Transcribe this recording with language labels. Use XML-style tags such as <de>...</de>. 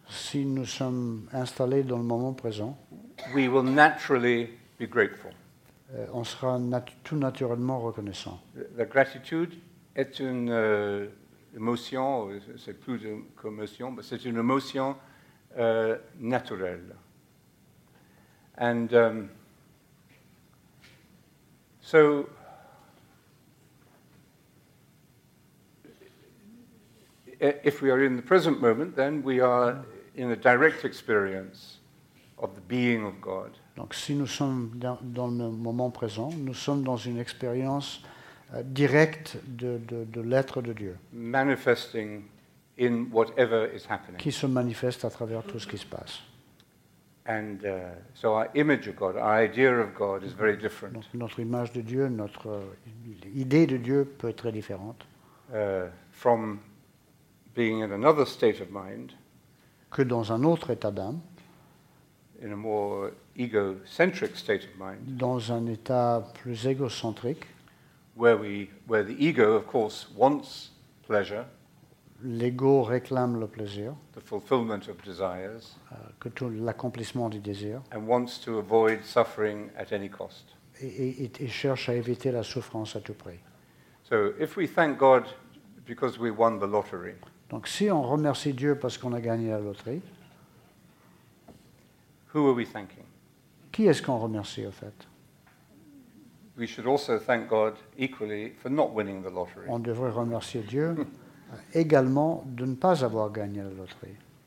<fr>si nous sommes installés dans le moment présent,</fr> <en>we will naturally be grateful.</en> <fr>On sera tout naturellement reconnaissant. La gratitude est une émotion, c'est plus qu'une émotion, mais c'est une émotion naturelle.</fr> <en>And so if we are in the present moment, then we are in a direct experience of the being of God.</en> <fr>Donc si nous sommes dans le moment présent, nous sommes dans une expérience directe de l'être de Dieu.</fr> <en>Manifesting in whatever is happening.</en> <fr>Qui se manifeste à travers tout ce qui se passe.</fr> <en>And so our image of God, our idea of God is very different.</en> <fr>Donc, notre image de Dieu, notre idée de Dieu peut être très différente.</fr> <en>From being in another state of mind.</en> <fr>Que dans un autre état d'âme.</fr> <en>In a more egocentric state of mind.</en> <fr>Dans un état plus égocentrique.</fr> <en>Where the ego, of course, wants pleasure.</en> <fr>L'ego réclame le plaisir.</fr> <en>The fulfillment of desires.</en> <fr>Que tout l'accomplissement du désir.</fr> <en>And wants to avoid suffering at any cost.</en> <fr>Et cherche à éviter la souffrance à tout prix.</fr> <en>So if we thank God because we won the lottery.</en> <fr>Donc si on remercie Dieu parce qu'on a gagné la loterie.</fr> <en>Who are we thanking?</en> <fr>Qui est-ce qu'on remercie au fait?</fr> <en>We should also thank God equally for not winning the lottery.</en> <fr>On devrait remercier Dieu également de ne pas avoir gagné la loterie.</fr>